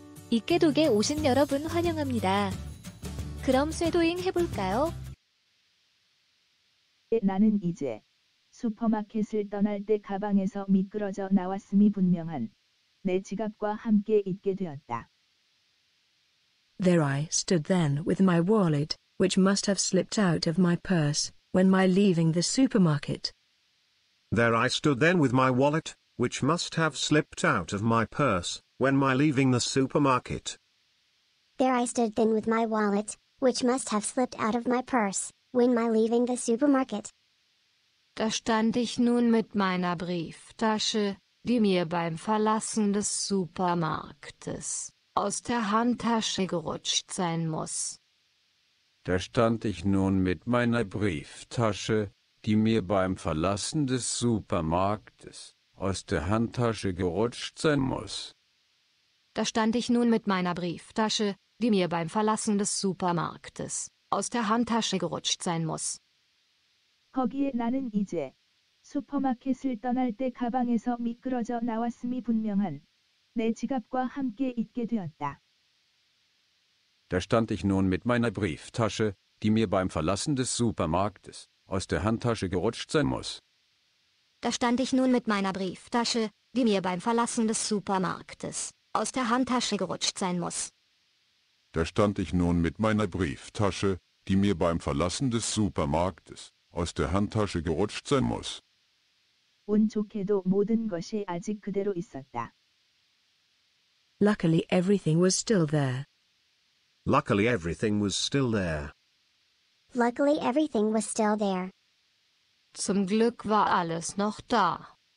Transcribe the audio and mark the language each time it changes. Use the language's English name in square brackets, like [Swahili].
[Korean] 이깨독에 오신 여러분 환영합니다. 그럼 쇄도잉 해볼까요? 나는 이제 슈퍼마켓을 떠날 때 가방에서 미끄러져 나왔음이 분명한 내 지갑과 함께 있게 되었다. [English] There I stood then with my wallet, which must have slipped out of my purse when my leaving the supermarket. There I stood then with my wallet, which must have slipped out of my purse when my leaving the supermarket. There I stood then with my wallet, which must have slipped out of my purse when my leaving the supermarket. [German] Da stand ich nun mit meiner Brieftasche, die mir beim Verlassen des Supermarktes aus der Handtasche gerutscht sein muss. Da stand ich nun mit meiner Brieftasche, die mir beim Verlassen des Supermarktes aus der Handtasche gerutscht sein muss. Da stand ich nun mit meiner Brieftasche, die mir beim Verlassen des Supermarktes aus der Handtasche gerutscht sein muss. [Korean] 거기에 나는 이제 슈퍼마켓을 떠날 때 가방에서 미끄러져 나왔음이 분명한 내 지갑과 함께 있게 되었다. [German] Da stand ich nun mit meiner Brieftasche, die mir beim Verlassen des Supermarktes aus der Handtasche gerutscht sein muss. Da stand ich nun mit meiner Brieftasche, die mir beim Verlassen des Supermarktes aus der Handtasche gerutscht sein muss. Da stand ich nun mit meiner Brieftasche, die mir beim Verlassen des Supermarktes aus der Handtasche gerutscht sein muss. [Korean] 운좋게도 모든 것이 아직 그대로 있었다. [English] Luckily everything was still there. Luckily everything was still there. Luckily everything was still there. [German] Zum Glück war alles noch da.